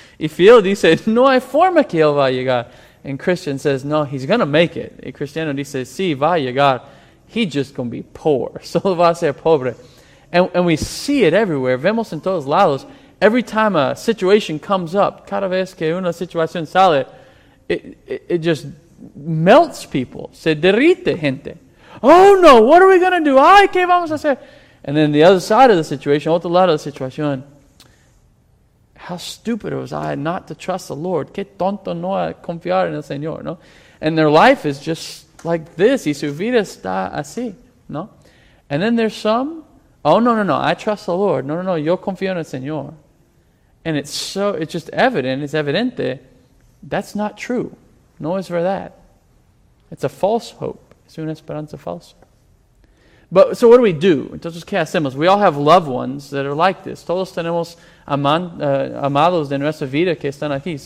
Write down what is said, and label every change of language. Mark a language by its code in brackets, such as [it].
[es] Y fiel dice, no hay forma que él va a llegar. [en] And Christian says, no, he's going to make it. [es] Y Cristiano dice, sí, va a llegar. [en] He's just going to be poor. [es] Solo va a ser pobre. [en] And we see it everywhere. [es] Vemos en todos lados. [en] Every time a situation comes up, [es] cada vez que una situación sale, [en] it just melts people. [es] Se derrite gente. [en] Oh no, what are we going to do? [es] Ay, ¿qué vamos a hacer? [en] And then the other side of the situation, [es] otro lado de la situación, [en] how stupid was I not to trust the Lord? [es] Qué tonto no confiar en el Señor, ¿no? [en] And their life is just like this, [es] y su vida está así, ¿no? [en] And then there's some, oh no, no, no, I trust the Lord. [es] No, no, no, yo confío en el Señor. [en] And it's just evident, it's evidente, that's not true. [es] No es verdad. [en] It's a false hope. [es] Es una esperanza falsa. [en] But so what do we do? [es] Entonces, ¿qué hacemos? [en] We all have loved ones that are like this. [es] Todos tenemos amados de nuestra vida que están aquí.